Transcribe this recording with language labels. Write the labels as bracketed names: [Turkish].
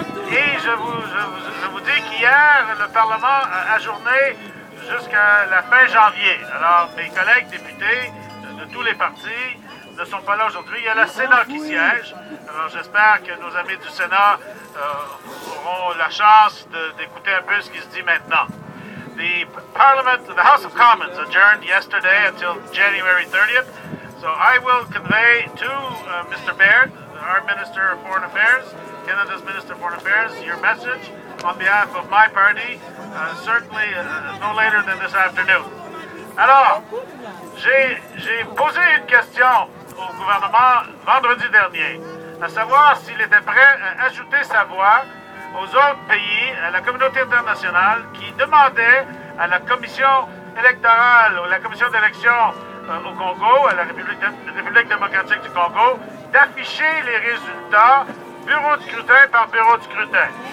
[French] Et je vous dis qu'hier, le Parlement a ajourné jusqu'à la fin janvier. Alors, mes collègues députés de tous les partis ne sont pas là aujourd'hui. Il y a le Sénat qui siège. Alors, j'espère que nos amis du Sénat auront la chance d'écouter un peu ce qui se dit maintenant. [English] The House of Commons adjourned yesterday until January 30th. So I will convey to Mr. Baird, our Minister of Foreign Affairs, Canada's Minister of Foreign Affairs, your message on behalf of my party, certainly no later than this afternoon. [French] Alors, j'ai posé une question au gouvernement vendredi dernier, à savoir s'il était prêt à ajouter sa voix aux autres pays, à la communauté internationale, qui demandait à la commission électorale ou la commission d'élection au Congo, à la République démocratique du Congo, d'afficher les résultats bureau de scrutin par bureau de scrutin.